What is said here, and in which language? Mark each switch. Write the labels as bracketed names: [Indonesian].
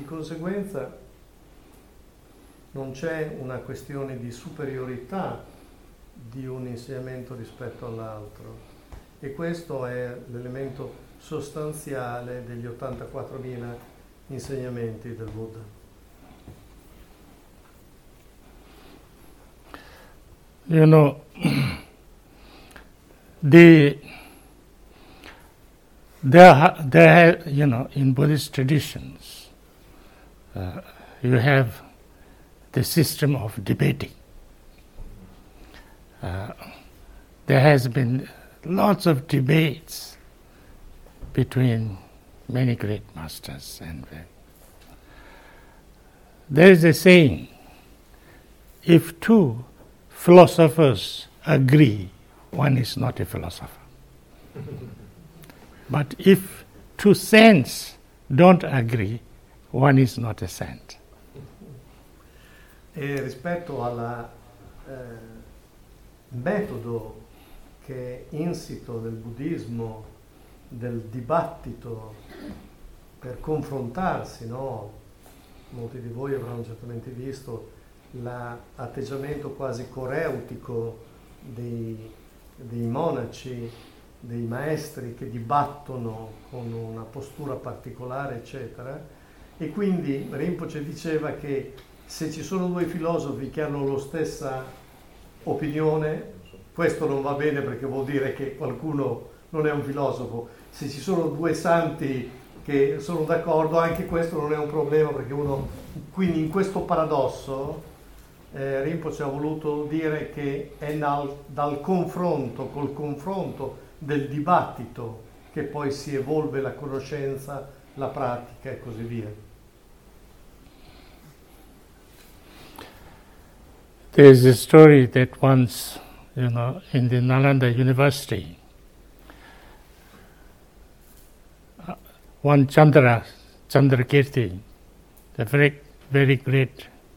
[Italian] Di conseguenza non c'è una questione di superiorità di un insegnamento rispetto all'altro, e questo è l'elemento sostanziale degli 84.000 insegnamenti del Buddha. [English] You know, in Buddhist traditions, you have the system of debating. There has been lots of debates between many great masters and them. There is a saying, if two philosophers agree, one is not a philosopher. But if two saints don't agree, one is not a saint. [Italian] E rispetto al metodo che è insito nel buddismo del dibattito per confrontarsi, no? Molti di voi avranno certamente visto l'atteggiamento quasi coreutico dei monaci, dei maestri che dibattono con una postura particolare, eccetera. E quindi Rinpoche diceva che se ci sono due filosofi che hanno la stessa opinione, questo non va bene, perché vuol dire che qualcuno non è un filosofo. Se ci sono due santi che sono d'accordo, anche questo non è un problema, perché uno... Quindi in questo paradosso Rinpoche ha voluto dire che è dal confronto, col confronto del dibattito, che poi si evolve la conoscenza, la pratica e così via. [English] There's a story that once, you know, in the Nalanda University, one Chandrakirti, a very, very great